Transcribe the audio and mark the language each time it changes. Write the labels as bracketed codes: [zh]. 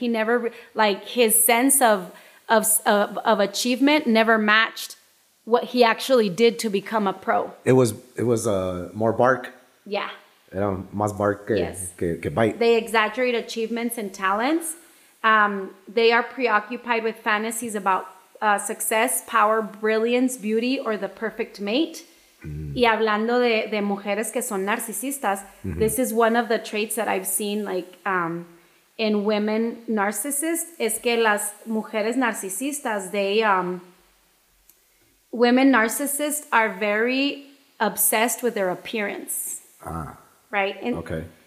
[en] He never, like, his sense of achievement never matched what he actually did to become a pro. It was more bark. Yeah. [es] Era más bark que, yes. que bite. [en] They exaggerate achievements and talents. They are preoccupied with fantasies about success, power, brilliance, beauty, or the perfect mate. [es] Y hablando de mujeres que son narcisistas, mm-hmm. [en] this is one of the traits that I've seen, like, in women narcissists, [es] es que las mujeres narcisistas, [en] women narcissists are very obsessed with their appearance. Ah. Right? And, okay.